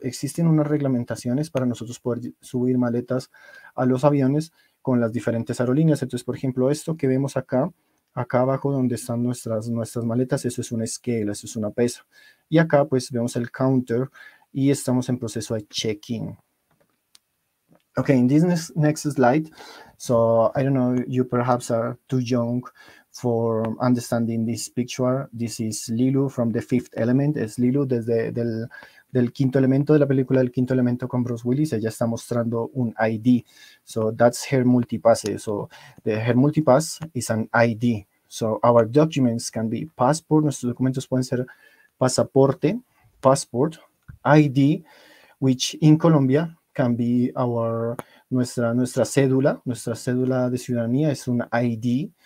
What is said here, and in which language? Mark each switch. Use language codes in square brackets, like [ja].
[es] Existen unas reglamentaciones para nosotros poder subir maletas a los aviones con las diferentes aerolíneas. Entonces, por ejemplo, esto que vemos acá abajo donde están nuestras maletas, eso es un scale, eso es una pesa. Y acá, pues, vemos el counter y estamos en proceso de check-in. [en] Okay, in this next slide, so I don't know, you perhaps are too young for understanding this picture. This is Lilo from The Fifth Element. [es] Es Lilo desde del quinto elemento, de la película El Quinto Elemento con Bruce Willis. Ella está mostrando un ID. [en] So that's her multipass. So her multipass is an ID. So our documents can be passport. [es] Nuestros documentos pueden ser pasaporte, passport, ID, [en] which in Colombia can be [es] nuestra cédula de ciudadanía es un ID.